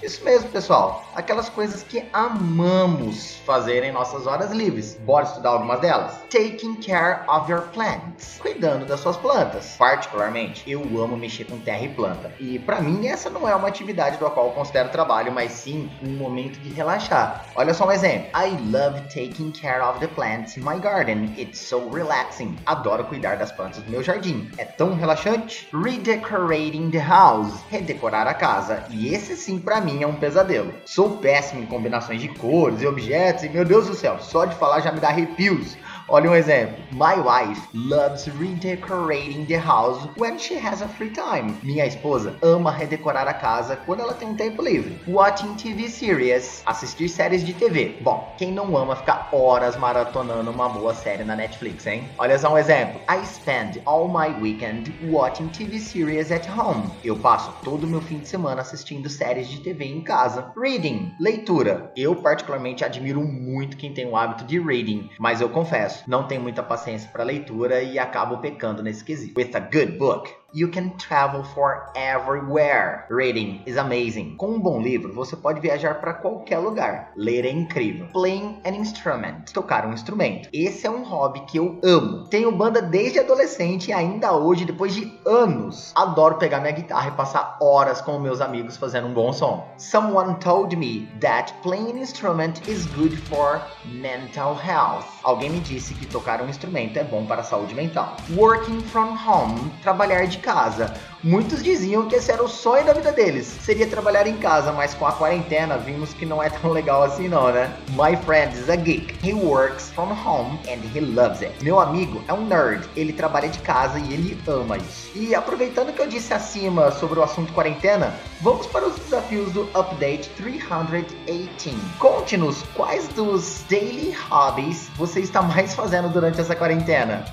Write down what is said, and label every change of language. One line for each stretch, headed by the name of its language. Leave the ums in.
Portuguese: Isso mesmo, pessoal, aquelas coisas que amamos fazer em nossas horas livres. Bora estudar algumas delas?
English: Taking care of your plants,
Portuguese: cuidando das suas plantas. Particularmente, eu amo mexer com terra e planta. E pra mim essa não é uma atividade do qual eu considero trabalho, mas sim um momento de relaxar. Olha só um exemplo.
English: I love taking care of the plants in my garden. It's so relaxing.
Portuguese: Adoro cuidar das plantas do meu jardim. É tão relaxante.
English: Redecorating the house,
Portuguese: redecorar a casa. E esse sim pra mim é um pesadelo. Sou péssimo em combinações de cores e objetos e meu Deus do céu, só de falar já me dá arrepios. Olha um exemplo.
English: My wife loves redecorating the house when she has a free time.
Portuguese: Minha esposa ama redecorar a casa quando ela tem um tempo livre.
English: Watching TV series,
Portuguese: assistir séries de TV. Bom, quem não ama ficar horas maratonando uma boa série na Netflix, hein? Olha só um exemplo.
English: I spend all my weekend watching TV series at home.
Portuguese: Eu passo todo o meu fim de semana assistindo séries de TV em casa. Reading, leitura. Eu particularmente admiro muito quem tem o hábito de reading, mas eu confesso não tenho muita paciência para leitura e acabo pecando nesse quesito.
English: With a good book, You can travel for everywhere. Reading is amazing.
Portuguese: Com um bom livro, você pode viajar para qualquer lugar. Ler é incrível.
English: Playing an instrument.
Portuguese: Tocar um instrumento. Esse é um hobby que eu amo. Tenho banda desde adolescente e ainda hoje, depois de anos, adoro pegar minha guitarra e passar horas com meus amigos fazendo um bom som.
English: Someone told me that playing an instrument is good for mental health.
Portuguese: Alguém me disse que tocar um instrumento é bom para a saúde mental.
English: Working from home.
Portuguese: Trabalhar de casa. Muitos diziam que esse era o sonho da vida deles, seria trabalhar em casa, mas com a quarentena vimos que não é tão legal assim não, né?
English: My friend is a geek. He works from home and he loves it.
Portuguese: Meu amigo é um nerd, ele trabalha de casa e ele ama isso. E aproveitando que eu disse acima sobre o assunto quarentena, vamos para os desafios do Update 318. Conte-nos quais dos daily hobbies você está mais fazendo durante essa quarentena.